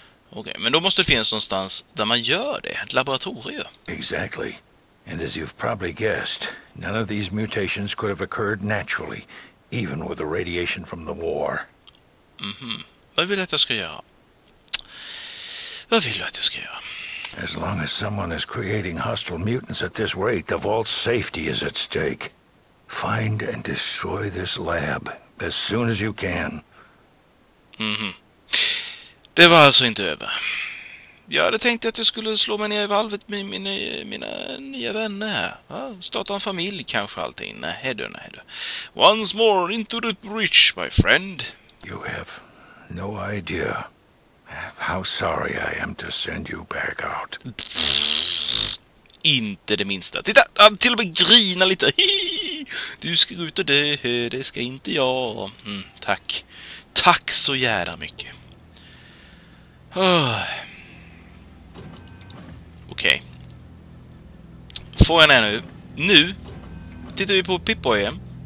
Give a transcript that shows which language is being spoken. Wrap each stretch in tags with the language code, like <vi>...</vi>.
<sv>Okej, men då måste det finnas någonstans där man gör det, ett laboratorium.</sv> <en>Exactly. And as you've probably guessed, none of these mutations could have occurred naturally, even with the radiation from the war. Mm-hmm.</en> <sv>Vad vill du att jag ska göra? Vad vill du att jag ska göra?</sv> <en>As long as someone is creating hostile mutants at this rate, the vault's safety is at stake. Find and destroy this lab as soon as you can. Mm-hmm.</en> <sv>Det var alltså inte över. Jag hade tänkt att jag skulle slå mig ner i valvet med mina nya vänner här. Ja, starta en familj kanske allting. Nej du.</sv> <en>Once more into the breach, my friend. You have no idea how sorry I am to send you back out.</en> <sv>Inte det minsta. Titta, han till och med grina lite. Du ska gå ut och dö, det ska inte jag. Tack. Tack så jävla mycket. Okej. Får jag ner nu? Nu tittar vi på Pip-Boy igen.</sv>